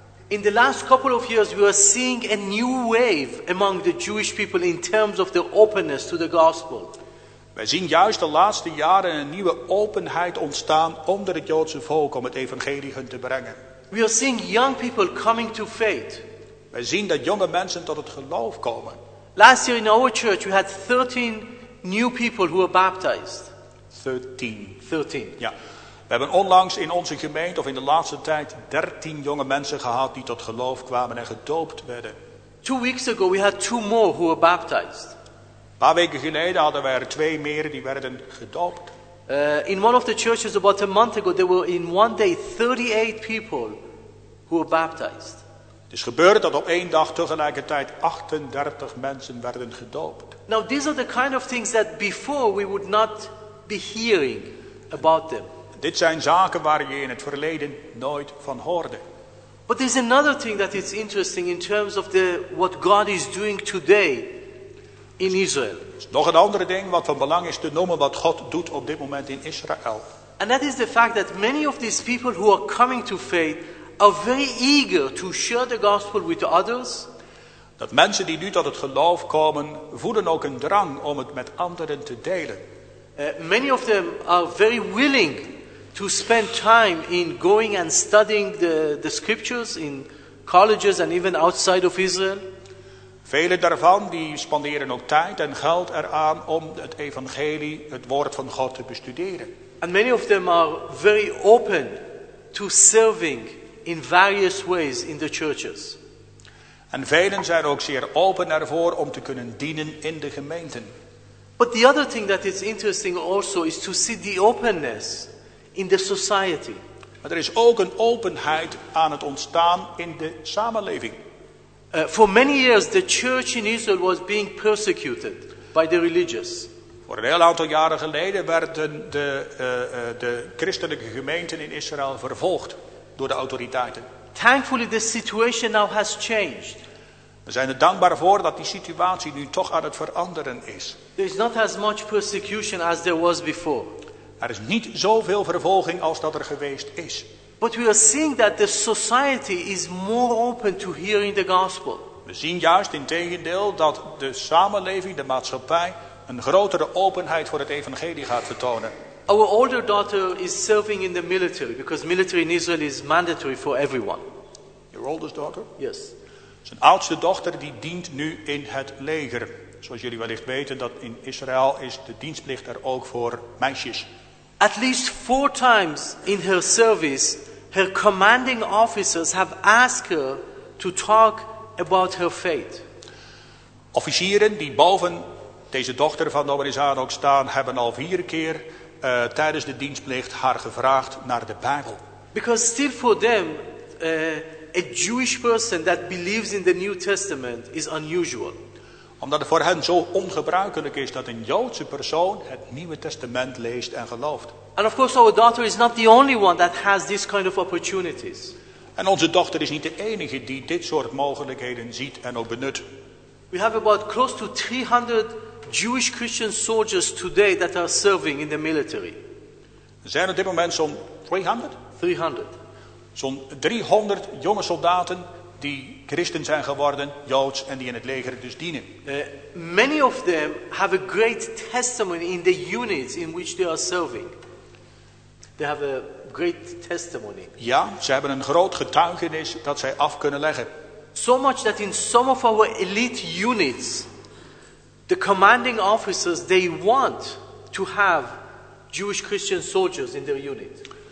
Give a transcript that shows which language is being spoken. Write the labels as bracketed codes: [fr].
[en] In the last couple of years we are seeing a new wave among the Jewish people in terms of their openness to the gospel. [nl] Wij zien juist de laatste jaren een nieuwe openheid ontstaan onder het Joodse volk om het evangelie hun te brengen. [en] We are seeing young people coming to faith. [nl] Wij zien dat jonge mensen tot het geloof komen. [en] Last year in our church we had 13 new people who were baptized. [nl] 13. Ja. We hebben onlangs in onze gemeente of in de laatste tijd 13 jonge mensen gehad die tot geloof kwamen en gedoopt werden. [en] 2 weeks ago we had 2 more who were baptized. [nl] Een paar weken geleden hadden we er 2 meer die werden gedoopt. [en] In one of the churches about a month ago there were in one day 38 people who were baptized. [nl] Het is gebeurd dat op 1 dag tegelijkertijd 38 mensen werden gedoopt. [en] Now these are the kind of things that before we would not be hearing about them. [nl] Dit zijn zaken waar je in het verleden nooit van hoorde. [en] But there's another thing that is interesting in terms of the what God is doing today. In Israel. [nl] Nog een andere ding wat van belang is te noemen wat God doet op dit moment in Israël. [en] And that is the fact that many of these people who are coming to faith are very eager to share the gospel with others. [nl] Dat mensen die nu tot het geloof komen voelen ook een drang om het met anderen te delen. [en] Many of them are very willing to spend time in going and studying the scriptures in colleges and even outside of Israel. [nl] Vele daarvan die spanderen ook tijd en geld eraan om het evangelie, het woord van God te bestuderen. [en] And many of them are very open to serving in various ways in the churches. [nl] En velen zijn ook zeer open ervoor om te kunnen dienen in de gemeenten. [en] But the other thing that is interesting also is to see the openness in the society. [nl] Maar er is ook een openheid aan het ontstaan in de samenleving. [en] For many years the church in Israel was being persecuted by the religious. [nl] Voor een heel aantal jaren geleden werden de christelijke gemeenten in Israël vervolgd door de autoriteiten. [en] Thankfully the situation now has changed. [nl] We zijn er dankbaar voor dat die situatie nu toch aan het veranderen is. [en] There is not as much persecution as there was before. [nl] Er is niet zoveel vervolging als dat er geweest is. [en] But we are seeing that the society is more open to hearing the gospel. [nl] We zien juist in tegendeel dat de samenleving, de maatschappij, een grotere openheid voor het evangelie gaat vertonen. [en] Our older daughter is serving in the military because military in Israel is mandatory for everyone. Your oldest daughter? Yes. [nl] Zijn oudste dochter die dient nu in het leger. Zoals jullie wellicht weten dat in Israël is de dienstplicht er ook voor meisjes. [en] At least 4 times in her service, her commanding officers have asked her to talk about her faith. [nl] Officieren die boven deze dochter van Dominee Zadok staan, hebben al 4 keer tijdens de dienstplicht haar gevraagd naar de Bijbel. [en] Because still for them, a Jewish person that believes in the New Testament is unusual. [nl] Omdat het voor hen zo ongebruikelijk is dat een Joodse persoon het Nieuwe Testament leest en gelooft. [en] And of course our daughter is not the only one that has this kind of opportunities. [nl] En onze dochter is niet de enige die dit soort mogelijkheden ziet en ook benut. [en] We have about close to 300 Jewish Christian soldiers today that are serving in the military. [nl] Er zijn op dit moment zo'n 300? 300. Zo'n 300 jonge soldaten die christen zijn geworden, Joods, en die in het leger dus dienen. [en] Many of them have a great testimony in the units in which they are serving. They have a great testimony. [nl] Ja, ze hebben een groot getuigenis dat zij af kunnen leggen. [en] So much that in some of our elite units, the commanding officers, they want to have Jewish Christian soldiers in their unit.